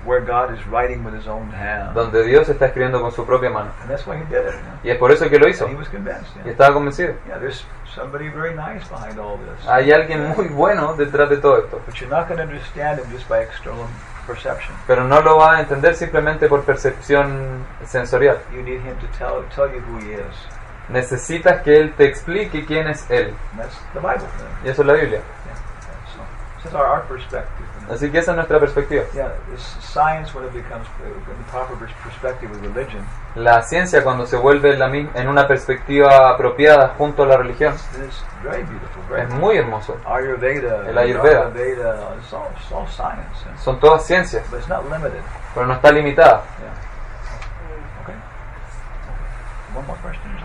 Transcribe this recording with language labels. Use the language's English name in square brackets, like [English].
[English] Where God is writing with His own hand. [Spanish] Donde Dios está escribiendo con su propia mano. [English] And that's why he did it. [Spanish] Y es por eso que lo hizo. [English] And he was convinced. [Spanish] Y estaba convencido. [English] Yeah, there's somebody very nice behind all this. [Spanish] Hay alguien muy bueno detrás de todo esto. [English] But you're not going to understand him just by external perception. [Spanish] Pero no lo va a entender simplemente por percepción sensorial. [English] You need him to tell you who he is. [Spanish] Necesitas que él te explique quién es él. [English] That's the Bible, [Spanish] y eso es la Biblia. [English] Yeah. So, our perspective, you [Spanish] know. Así que esa es nuestra perspectiva. [English] Yeah, science when it becomes in the proper perspective with religion. [Spanish] La ciencia cuando se vuelve en una perspectiva apropiada junto a la religión. [English] It's very beautiful, very [Spanish] es muy hermoso. [English] Ayurveda, [Spanish] el Ayurveda. [English] Ayurveda, it's all science, yeah. [Spanish] Son todas ciencias. [English] But it's not limited. [Spanish] Pero no está limitada. [English] Yeah. One more question.